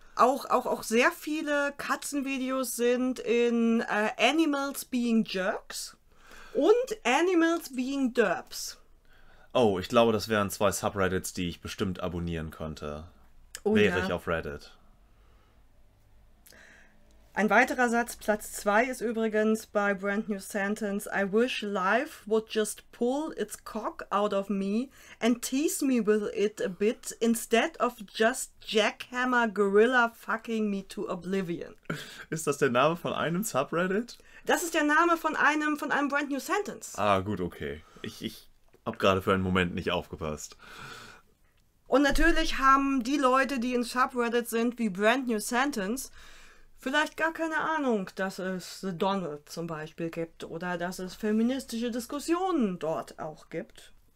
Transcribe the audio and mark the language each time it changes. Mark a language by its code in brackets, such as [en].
[de] Auch sehr viele Katzenvideos sind in Animals Being Jerks und Animals Being Derps. Oh, ich glaube, das wären zwei Subreddits, die ich bestimmt abonnieren könnte. Oh, wäre ich auf Reddit. Ein weiterer Satz, Platz 2, ist übrigens bei Brand New Sentence. [en] I wish life would just pull its cock out of me and tease me with it a bit instead of just jackhammer gorilla fucking me to oblivion. [de] Ist das der Name von einem Subreddit? Das ist der Name von einem Brand New Sentence. Ah, gut, okay. Ich hab gerade für einen Moment nicht aufgepasst. Und natürlich haben die Leute, die in Subreddit sind, wie Brand New Sentence, vielleicht gar keine Ahnung, dass es The Donald zum Beispiel gibt oder dass es feministische Diskussionen dort auch gibt.